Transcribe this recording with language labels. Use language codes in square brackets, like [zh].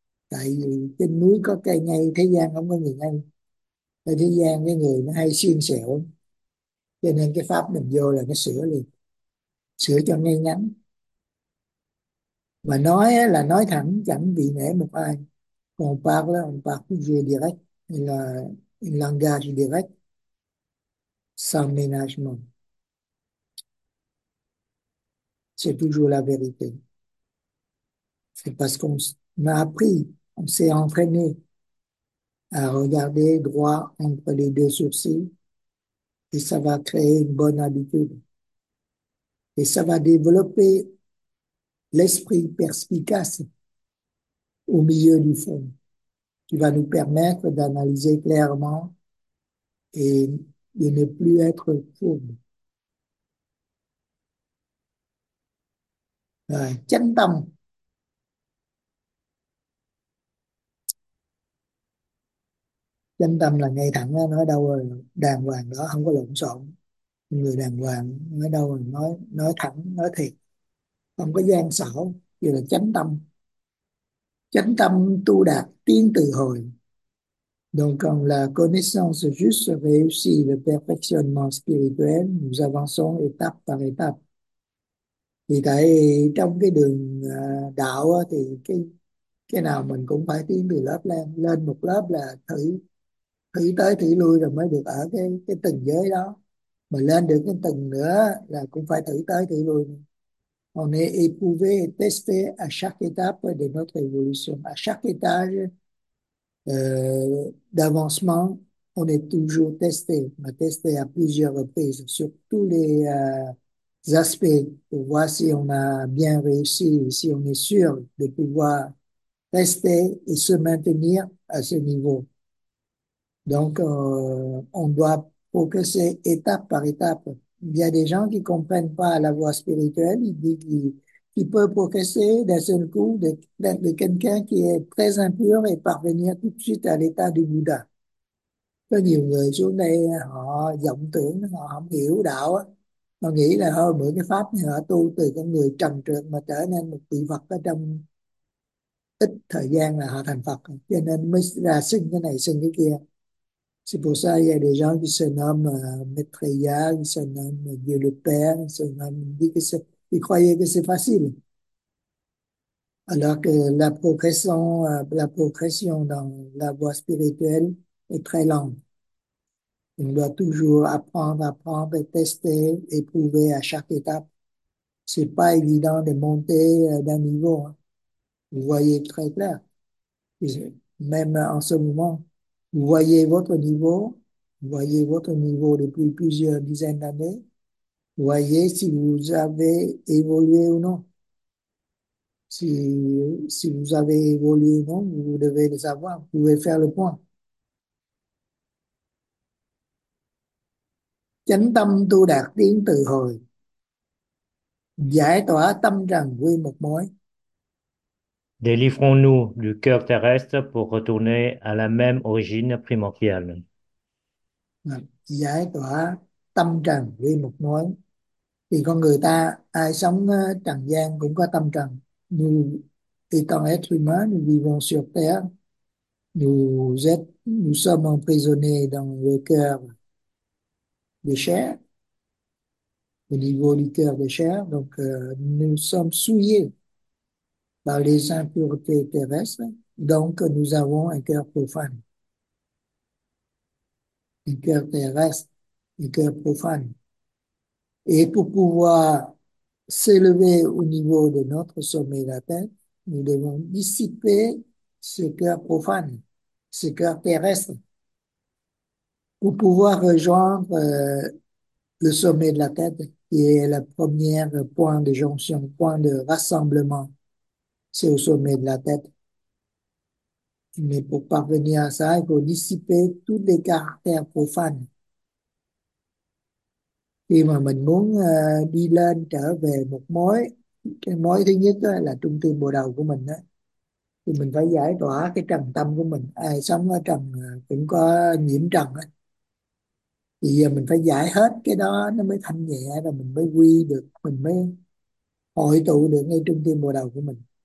[vi] Tại vì trên núi có cây ngay, thế gian không có người ngay, thế gian cái người nó hay xiên xẹo, cho nên cái pháp mình vô là nó sửa liền, sửa cho ngay ngắn. Mà nói là nói thẳng, chẳng bị nể một ai. Còn Pháp là ông Pháp cứ direct, là [fr] langage direct, sans ménagement. C'est toujours la vérité. C'est parce qu'on m'a appris, on s'est entraîné à regarder droit entre les deux sourcils et ça va créer une bonne habitude. Et ça va développer l'esprit perspicace au milieu du fond qui va nous permettre d'analyser clairement et de ne plus être fourbe. [vi] Chánh tâm. Chánh tâm là ngay thẳng, nói đâu rồi đàng hoàng đó, không có lộn xộn. Người đàng hoàng nói đâu rồi nói thẳng, nói thiệt, không có gian xảo, vậy là chánh tâm. Chánh tâm tu đạt tiến từ hồi. [fr] Donc, quand la connaissance juste réussit le perfectionnement spirituel, nous avançons étape par étape. [vi] Vì tại trong cái đường đạo thì cái nào mình cũng phải tiến từ lớp lên, lên một lớp là thử thử tới thử lui rồi mới được ở cái tầng giới đó. Mà lên được cái tầng nữa là cũng phải thử tới thử lui. [fr] On est éprouvé et testé à chaque étape de notre évolution. À chaque étage d'avancement, on est toujours testé, mais testé à plusieurs reprises sur tous les aspects pour voir si on a bien réussi, si on est sûr de pouvoir rester et se maintenir à ce niveau. Donc, on doit progresser étape par étape. Il y a des gens qui comprennent pas la voie spirituelle, qui peut progresser d'un seul coup de quelqu'un qui est très impur et parvenir tout de suite à l'état du Bouddha. [vi] Có nhiều người xuống đây họ vọng tưởng, họ không hiểu đạo, họ nghĩ là hơn bởi cái pháp này họ tu từ con người trần trược mà trở nên một vị Phật, ở trong ít thời gian là họ thành Phật, cho nên mới ra sinh cái này sinh cái kia. [fr] C'est pour ça qu'il y a des gens qui se nomment Maitreya, qui se nomment Dieu le Père, qui se nomment, dit que c'est, ils croyaient que c'est facile. Alors que la progression dans la voie spirituelle est très lente. On doit toujours apprendre, apprendre, tester, éprouver à chaque étape. C'est pas évident de monter d'un niveau. Vous voyez très clair. Même en ce moment, vous voyez votre niveau, vous voyez votre niveau depuis plusieurs dizaines d'années. Voyez si vous avez évolué ou non. Si vous avez évolué ou non, vous devez le savoir, vous pouvez faire le point. [vi] Chánh tâm tu đạt tiến từ hồi, giải tỏa tâm trần quy một mối. [fr] Délivrons-nous du cœur terrestre pour retourner à la même origine primordiale. [vi] Giải tỏa tâm trần quy một mối. Thì con người ta ai sống trần gian cũng có tâm trần. [fr] Nous étant êtres humains, nous vivons sur Terre. Nous sommes emprisonnés dans le cœur des chairs, au niveau du cœur des chairs. Donc, nous sommes souillés par les impuretés terrestres. Donc, nous avons un cœur profane. Un cœur terrestre, un cœur profane. Et pour pouvoir s'élever au niveau de notre sommet de la tête, nous devons dissiper ce cœur profane, ce cœur terrestre, pour pouvoir rejoindre le sommet de la tête, qui est le premier point de jonction, point de rassemblement. C'est au sommet de la tête. Mais pour parvenir à ça, il faut dissiper tous les caractères profanes. [vi] Khi mà mình muốn đi lên trở về một mối, cái mối thứ nhất đó là trung tâm bộ đầu của mình đó, thì mình phải giải tỏa cái trần tâm của mình. Ai sống ở trần cũng có nhiễm trần đó. Thì giờ mình phải giải hết cái đó nó mới thanh nhẹ, rồi mình mới quy được, mình mới hội tụ được ngay trung tâm bộ đầu của mình.